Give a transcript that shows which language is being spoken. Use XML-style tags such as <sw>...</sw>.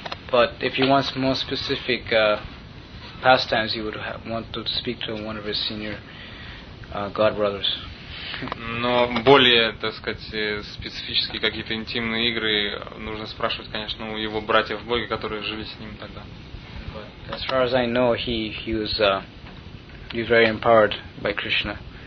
<en>But if you want more specific pastimes, you would want to speak to one of his senior god brothers.</en> <ru>Но более, так сказать, специфические какие-то интимные игры нужно спрашивать, конечно, у его братьев Боги, которые жили с ним тогда.</ru> <en>But as far as I know, he was very empowered by Krishna.</en>